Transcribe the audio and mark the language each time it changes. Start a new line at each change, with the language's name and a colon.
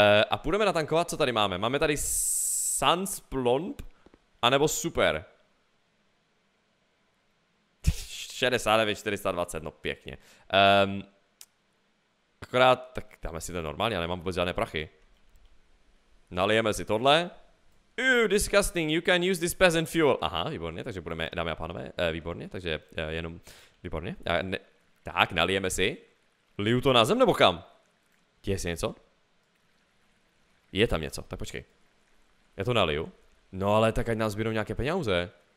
Czech: A půjdeme natankovat, co tady máme. Máme tady Sans Plomb, anebo Super. 69, 420, no pěkně. Akorát, tak dáme si ten normální, já nemám vůbec žádné prachy. Nalijeme si tohle.
English: Ew, disgusting, you can use this peasant fuel.
Czech: Aha, výborně, takže budeme, dámy a pánové, výborně, takže jenom, výborně. Tak, nalijeme si. Liju to na zem nebo kam? Děje si něco? Je tam něco, tak počkej. Já to naliju. No ale tak ať nás zbírou nějaké peněze.